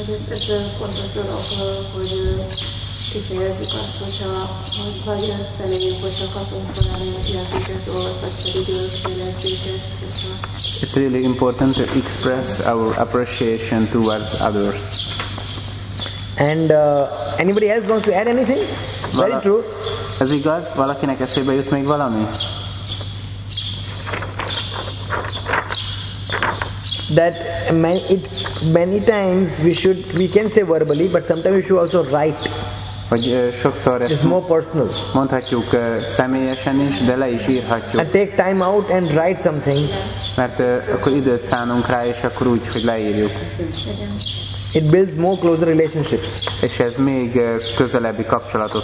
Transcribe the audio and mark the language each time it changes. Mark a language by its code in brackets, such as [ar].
[hu] Ez a fontos dolog, hogy kifejezzük azt, hogyha jön felénk, hogyha kapunk valami értéket, vagy pedig [en] It's really important to express our appreciation towards others. And anybody else wants to add anything? Very true. [hu] Ez igaz? Valakinek eszébe jut még valami? [en] That many times we can say verbally, but sometimes we should also write. [hu] Vagy sokszor [en] ezt more personal. [hu] Mondhatjuk személyesen is, de le is írhatjuk. [en] And take time out and write something. [hu] Mert akkor időt szánunk rá, és akkor úgy, hogy leírjuk. [en] It builds more closer relationships. [hu] És ez még közelebbi kapcsolatot.